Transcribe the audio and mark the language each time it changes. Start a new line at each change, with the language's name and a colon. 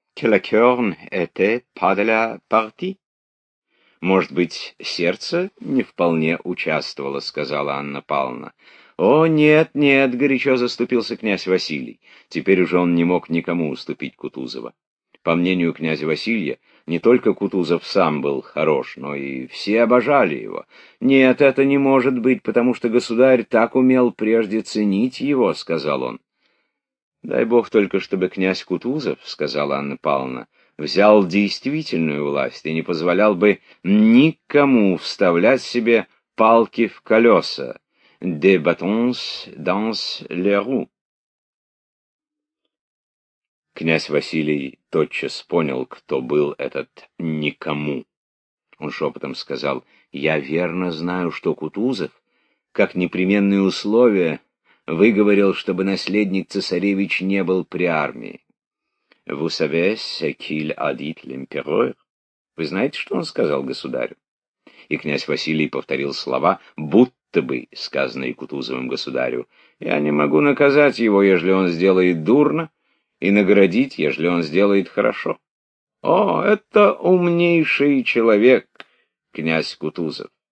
French: «Que le cœur était pas de la partie?»
Russian: «Может быть, сердце не вполне участвовало», — сказала Анна Павловна. «О, нет, нет», — горячо заступился князь Василий. Теперь уже он не мог никому уступить Кутузова. По мнению князя Василия, не только Кутузов сам был хорош, но и все обожали его. «Нет, это не может быть, потому что государь так умел прежде ценить его», — сказал он. «Дай бог только, чтобы князь Кутузов, — сказала Анна Павловна, — взял действительную власть и не позволял бы никому вставлять себе палки в колеса.
French: De bâtons dans les roues».
Russian: Князь Василий тотчас понял, кто был этот «никому». Он шепотом сказал: «Я верно знаю, что Кутузов, как непременное условие, выговорил, чтобы наследник цесаревич не был при армии».
French: «Vous savez ce qu'il a dit l'empereur?»
Russian: «Вы знаете, что он сказал государю?» И князь Василий повторил слова, будто бы сказанные Кутузовым государю: «Я не могу наказать его, ежели он сделает дурно, и наградить, ежели он сделает хорошо». «О, это умнейший человек, князь Кутузов!